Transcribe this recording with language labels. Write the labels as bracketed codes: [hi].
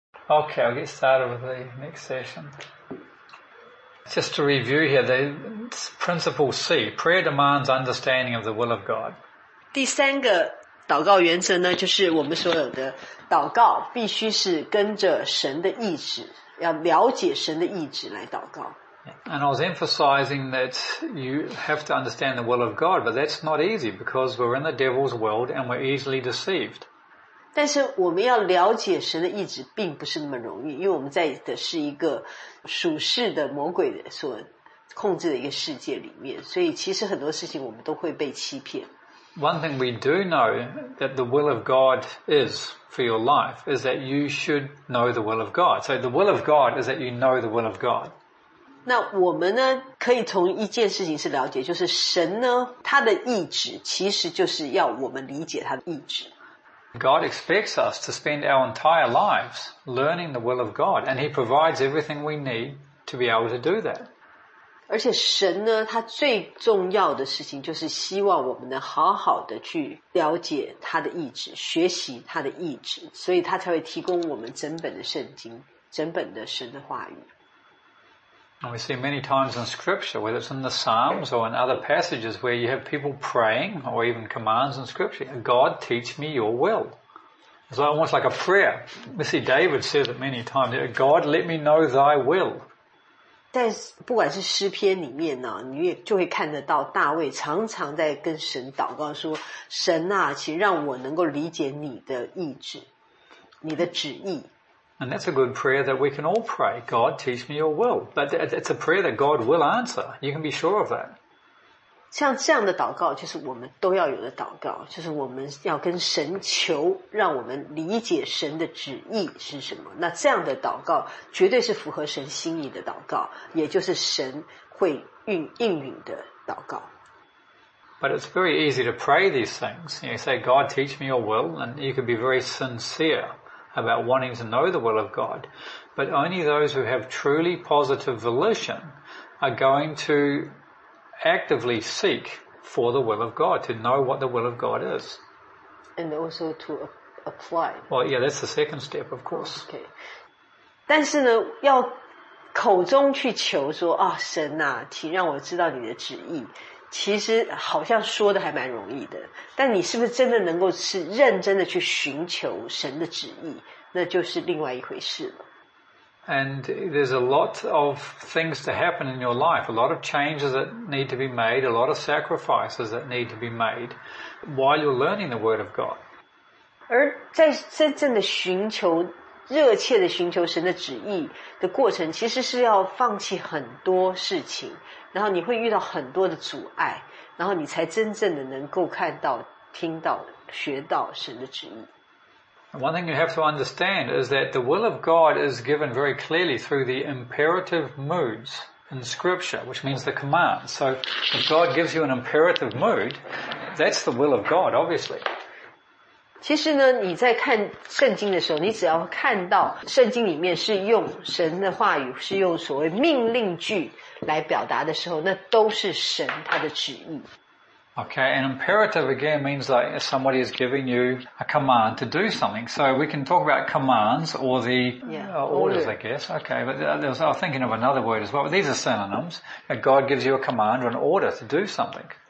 [en] Okay, I'll get started with the next session. Just to review here, the principle C, prayer demands understanding of the will of God. [zh] 第三个祷告原则呢，就是我们所有的祷告必须是跟着神的意志，要了解神的意志来祷告。 [en] And I was emphasizing that you have to understand the will of God, but that's not easy because we're in the devil's world and we're easily deceived. [zh] 但是我们要了解神的意志并不是那么容易，因为我们在的是一个属世的魔鬼所控制的一个世界里面，所以其实很多事情我们都会被欺骗。 [en] One thing we do know that the will of God is for your life is that you should know the will of God. So the will of God is that you know the will of God. [zh] 那我们呢可以从一件事情是了解，就是神呢他的意志其实就是要我们理解他的意志。 [en] God expects us to spend our entire lives learning the will of God, and He provides everything we need to be able to do that. [zh] 而且神呢，他最重要的事情就是希望我们能好好的去了解他的意志，学习他的意志，所以他才会提供我们整本的圣经，整本的神的话语。 [en] And we see many times in scripture, whether it's in the Psalms or in other passages where you have people praying or even commands in scripture, God teach me your will. It's almost like a prayer. We see David says it many times, God let me know thy will. [zh] 但不管是诗篇里面呢，你也就会看得到大卫常常在跟神祷告说，神啊，请让我能够理解你的意志，你的旨意。 [en] And that's a good prayer that we can all pray. God, teach me your will. But it's a prayer that God will answer. You can be sure of that. [zh] 像这样的祷告就是我们都要有的祷告，就是我们要跟神求，让我们理解神的旨意是什么。那这样的祷告绝对是符合神心意的祷告，也就是神会应允的祷告。 [en] But it's very easy to pray these things. You say, God, teach me your will, and you can be very sincere about wanting to know the will of God. But only those who have truly positive volition are going to actively seek for the will of God, to know what the will of God is. And also to apply. Well, yeah, that's the second step, of course. Okay. [zh] 但是呢，要口中去求说，啊，神啊，请让我知道你的旨意。其实好像说的还蛮容易的，但你是不是真的能够是认真的去寻求神的旨意，那就是另外一回事了。 [en] And there's a lot of things to happen in your life, a lot of changes that need to be made, a lot of sacrifices that need to be made while you're learning the Word of God. [zh] 而在真正的寻求，热切的寻求神的旨意的过程，其实是要放弃很多事情，然后你会遇到很多的阻碍，然后你才真正的能够看到、听到、学到神的旨意。 [en] One thing you have to understand is that the will of God is given very clearly through the imperative moods in Scripture, which means the commands. So if God gives you an imperative mood, that's the will of God, obviously. [zh] 其实呢，你在看圣经的时候，你只要看到圣经里面是用神的话语，是用所谓命令句来表达的时候，那都是神他的旨意。 [en] Okay, and imperative again means like somebody is giving you a command to do something. So we can talk about commands or the orders, I guess. Okay, but there was, I was thinking of another word as well. But these are synonyms. That God gives you a command or an order to do something.